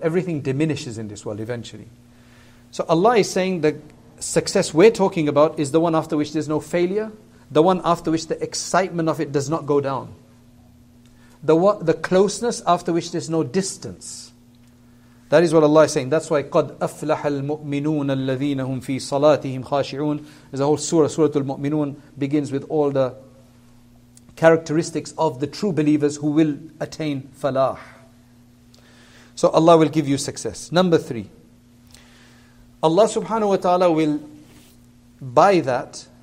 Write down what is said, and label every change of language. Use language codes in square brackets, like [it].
[en] Everything diminishes in this world eventually. So Allah is saying the success we're talking about is the one after which there's no failure. The one after which the excitement of it does not go down. The closeness after which there's no distance. That is what Allah is saying. That's why [ar] قَدْ أَفْلَحَ الْمُؤْمِنُونَ الَّذِينَ هُمْ فِي صَلَاتِهِمْ خَاشِعُونَ. [en] There's a whole surah, Surah Al-Mu'minun, begins with all the characteristics of the true believers who will attain falah. So Allah will give you success. Number three. Allah subhanahu wa ta'ala will buy that.